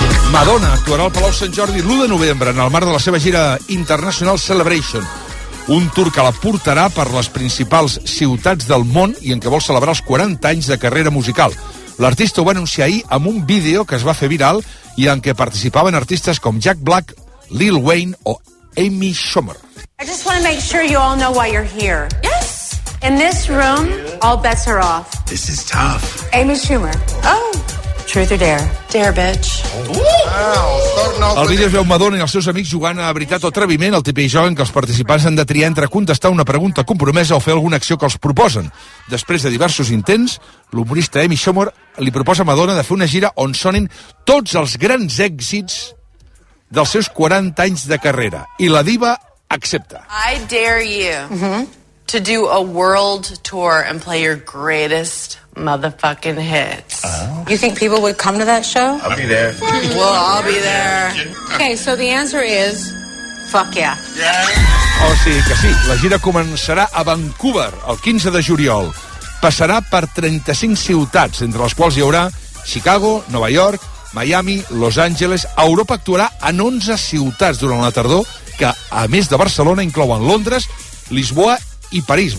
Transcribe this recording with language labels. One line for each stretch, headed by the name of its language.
Catalan: Madonna actuarà al Palau Sant Jordi l'1 de novembre en el marc de la seva gira International Celebration, un tour que la portarà per les principals ciutats del món i en què vol celebrar els 40 anys de carrera musical. L'artista ho va anunciar ahir amb un vídeo que es va fer viral i en què participaven artistes com Jack Black, Lil Wayne o Amy Schumer.
English: I just want to make sure you all know why you're here. Yes! In this room, all bets are off. This is tough. Amy Schumer. Oh! Truth or dare? Dare, bitch.
Catalan: El vídeo es veu Madonna i els seus amics jugant a veritat o atreviment, el típic joc en què els participants han de triar entre contestar una pregunta compromesa o fer alguna acció que els proposen. Després de diversos intents, l'humorista Amy Schumer li proposa a Madonna de fer una gira on sonin tots els grans èxits dels seus 40 anys de carrera. I la diva accepta.
English: I dare you to do a world tour and play your greatest motherfucking hits. You think people would come to that show? I'll be there. Well, I'll be there. Okay, so the answer is fuck yeah. Yeah.
Catalan: Oh, sí, que sí. La gira començarà a Vancouver el 15 de juliol. Passarà per 35 ciutats, entre les quals hi haurà Chicago, Nova York, Miami, Los Angeles. Europa actuarà en 11 ciutats durant la tardor, que, a més de Barcelona, inclouen Londres, Lisboa i París.